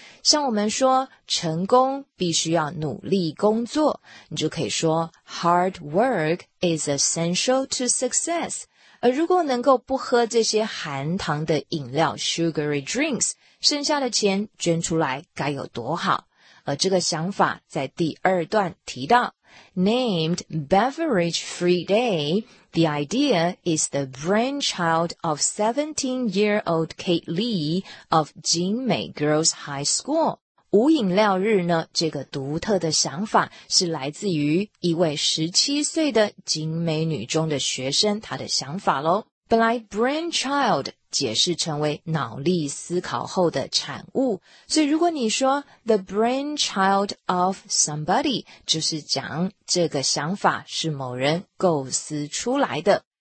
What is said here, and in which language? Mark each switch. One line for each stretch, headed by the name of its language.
Chinese: 像我们说成功必须要努力工作，你就可以说
English: hard work is essential to success。
Chinese: 而如果能够不喝这些含糖的饮料 sugary drinks， 剩下的钱捐出来该有多好。而这个想法在第二段提到。
English: Named Beverage Free Day, the idea is the brainchild of 17-year-old Kate Lee of Jingmei Girls High School.
Chinese: 无饮料日呢，这个独特的想法是来自于一位17岁的景美女中的学生她的想法咯。本来 brainchild 解释成为脑力思考后的产物，所以如果你说
English: the brainchild of somebody，
Chinese: 就是讲这个想法是某人构思出来的。